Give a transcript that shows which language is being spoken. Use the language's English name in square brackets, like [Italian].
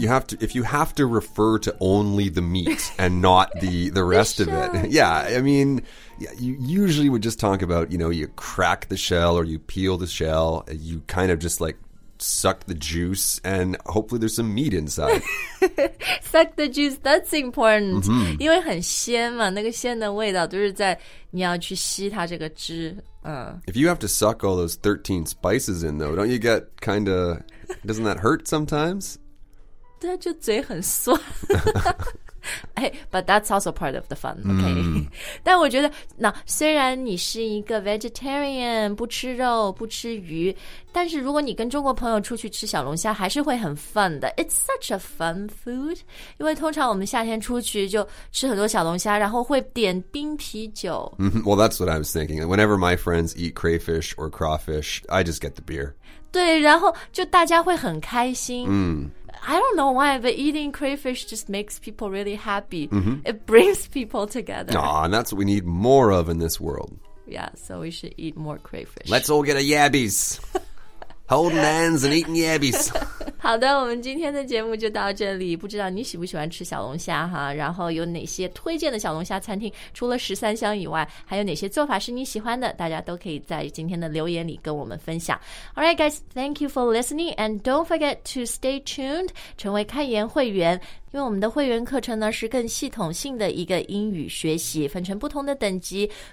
[English] you have to, if you have to refer to only the meat and not the rest of it. Yeah, I mean... Yeah, you usually would just talk about, you know, you crack the shell or you peel the shell. You kind of just like suck the juice and hopefully there's some meat inside. suck the juice, that's important. Mm-hmm. [Chinese] 因为很鲜嘛那个鲜的味道都是在你要去吸它这个汁。 [English] If you have to suck all those 13 spices in though, don't you get kind of, doesn't that hurt sometimes? [Chinese] 对就嘴很酸。 [English] Hey, but that's also part of the fun, okay?、Mm. [Chinese] 但我觉得那虽然你是一个 vegetarian, 不吃肉不吃鱼但是如果你跟中国朋友出去吃小龙虾还是会很 fun 的 [English] It's such a fun food [Chinese] 因为通常我们夏天出去就吃很多小龙虾然后会点冰啤酒、 mm-hmm. [English] Well, that's what I was thinking Whenever my friends eat crayfish or crawfish I just get the beer [Chinese] 对然后就大家会很开心、 mm. [English] I don't know why, but eating crayfish just makes people really happy.、 Mm-hmm. It brings people together. Aw, and that's what we need more of in this world. Yeah, so we should eat more crayfish. Let's all get a yabbies. Holding hands and eating yabbies. [Chinese] 好的，我们今天的节目就到这里。不知道你喜不喜欢吃小龙虾哈？然后有哪些推荐的小龙虾餐厅？除了十三香以外，还有哪些做法是你喜欢的？大家都可以在今天的留言里跟我们分享。 [English] All right, guys, thank you for listening, and don't forget to stay tuned, [Chinese] 成为开言会员。因为我们的会员课程呢是更系统性的一个英语学习，分成不同的等级。